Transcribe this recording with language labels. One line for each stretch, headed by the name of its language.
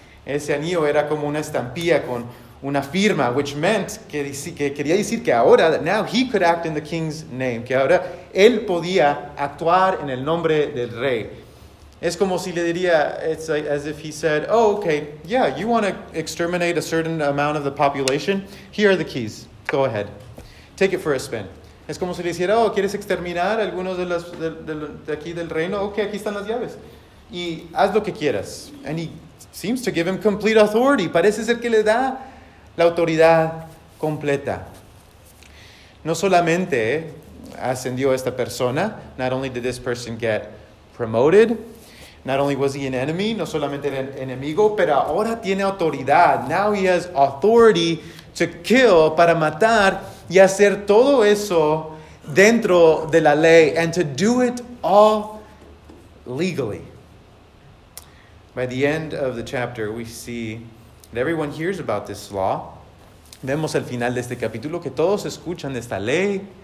Spanish: Ese anillo era como una estampilla con una firma,
English: which meant,
Spanish: que quería decir que ahora,
English: that now he could act in the king's name,
Spanish: que ahora él podía actuar en el nombre del rey. Es como si le diría,
English: it's like, as if he said, oh, okay, yeah, you want to exterminate a certain amount of the population? Here are the keys. Go ahead. Take it for a spin.
Spanish: Es como si le dijera, oh, ¿quieres exterminar algunos de aquí del reino? Okay, aquí están las llaves. Y haz lo que quieras.
English: And he seems to give him complete authority.
Spanish: Parece ser que le da la autoridad completa. No solamente ascendió esta persona,
English: not only did this person get promoted, not only was he an enemy,
Spanish: no solamente era enemigo, pero ahora tiene autoridad.
English: Now he has authority to kill,
Spanish: para matar y hacer todo eso dentro de la ley,
English: and to do it all legally. By the end of the chapter, we see that everyone hears about this law.
Spanish: Vemos al final de este capítulo que todos escuchan de esta ley.